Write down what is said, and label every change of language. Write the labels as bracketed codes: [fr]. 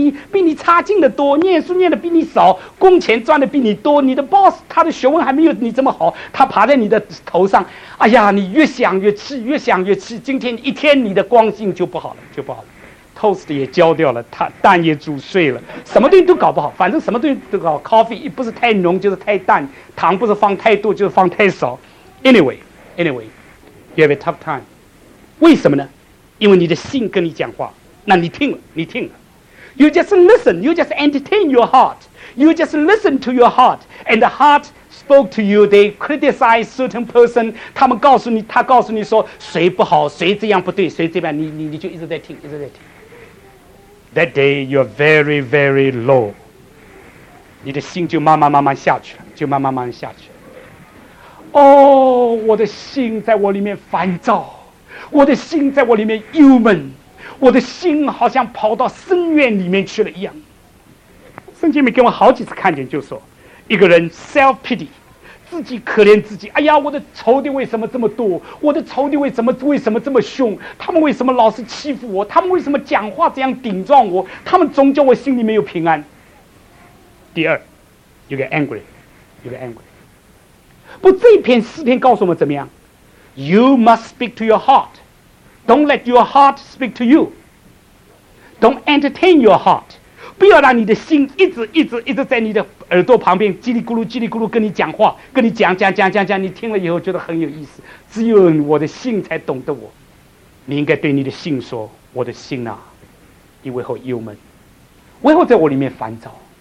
[zh] 比你差劲的多，念书念的比你少，工钱赚的比你多，你的 boss 他的学问还没有你这么好，他爬在你的头上，哎呀，你越想越气，越想越气，今天一天你的光景就不好了，就不好了， toast 也焦掉了，他蛋也煮碎了，什么东西都搞不好，反正什么东西都搞， coffee 不是太浓就是太淡，糖不是放太多就是放太少， [en] anyway you have a tough time， [zh] 为什么呢？因为你的心跟你讲话，那你听了，你听了。 [en] You just listen, you just entertain your heart. You just listen to your heart. And the heart spoke to you, they criticize certain person. [zh] 他们告诉你，他告诉你说，谁不好，谁这样不对，谁这样，你就一直在听，一直在听。 [en] That day, you're very, very low. [zh] 你的心就慢慢慢慢下去了，就慢慢慢慢下去了。哦，我的心在我里面烦躁，我的心在我里面郁闷。我的心好像跑到深渊里面去了一样。圣经里给我好几次看见，就说一个人 self pity， 自己可怜自己，哎呀，我的仇敌为什么这么多，我的仇敌为什么这么凶，他们为什么老是欺负我，他们为什么讲话这样顶撞我，他们总叫我心里没有平安。第二， [en] you get angry。 [zh] 不，这篇诗篇告诉我们怎么样， [en] you must speak to your heartDon't let your heart speak to you. Don't entertain your heart. [zh] 不要让你的心一直一直一直在你的耳朵旁边叽里咕噜叽里咕噜跟你讲话，跟你讲，你听了以后觉得很有意思。只有我的心才懂得我。你应该对你的心说我的心啊，你为何忧闷？为何在我里面烦躁？